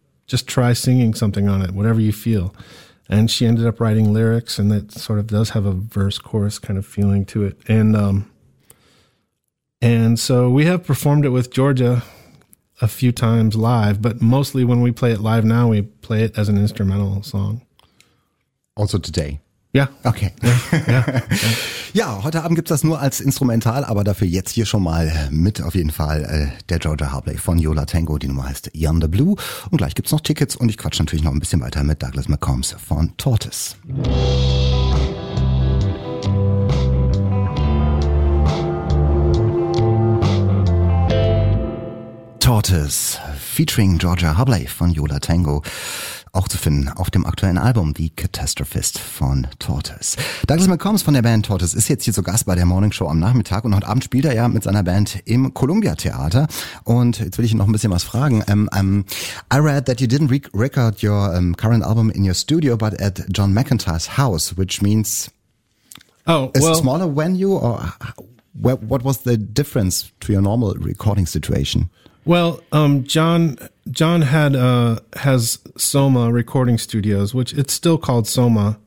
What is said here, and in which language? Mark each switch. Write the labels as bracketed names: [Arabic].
[English] Just try singing something on it, whatever you feel. And she ended up writing lyrics, and that sort of does have a verse chorus kind of feeling to it. And so we have performed it with Georgia a few times live, but mostly when we play it live now, we play it as an instrumental song. Also today. [German] Ja. Okay. Ja, heute Abend gibt's das nur als instrumental, aber dafür jetzt hier schon mal mit auf jeden Fall der Georgia Harplay von Yola Tango, die Nummer heißt Yonder Blue. Und gleich gibt's noch Tickets und ich quatsch natürlich noch ein bisschen weiter mit Douglas McCombs von Tortoise. Tortoise featuring Georgia Harplay von Yola Tango. Auch zu finden auf dem aktuellen Album The Catastrophist von Tortoise. Douglas McCombs von der Band Tortoise ist jetzt hier zu Gast bei der Morning Show am Nachmittag und heute Abend spielt er ja mit seiner Band im Columbia Theater. Und jetzt will ich noch ein bisschen was fragen. [English] I read that you didn't record your current album in your studio, but at John McIntyre's house, which means a smaller venue, or what was the difference to your normal recording situation? Well, John has Soma Recording Studios, which it's still called Soma.